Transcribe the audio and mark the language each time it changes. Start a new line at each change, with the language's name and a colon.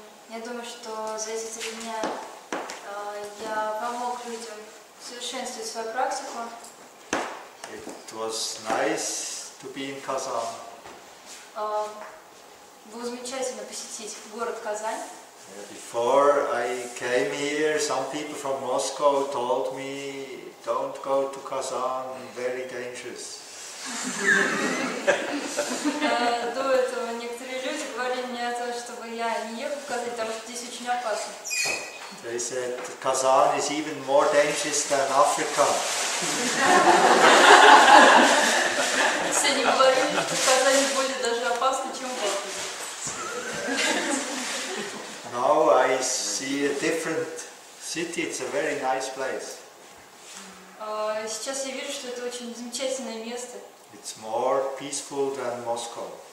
Russian: Я думаю, что за эти 3 дня я помог людям совершенствовать свою практику.
English: It was nice to be in Kazan.
Russian: Было замечательно посетить город Казань.
English: Before I came here, some people from Moscow told me, "Don't go to Kazan; very dangerous."
Russian: До этого некоторые люди говорили мне о том, чтобы я не ехал в Казань, потому что здесь очень опасно.
English: They said Kazan is even more dangerous than Africa.
Russian: Все они говорили, что Казань более даже опасно, чем в Африке.
English: Now I see a different city. It's a very nice place.
Russian: Сейчас я вижу, что это очень замечательное место.
English: It's more peaceful than Moscow.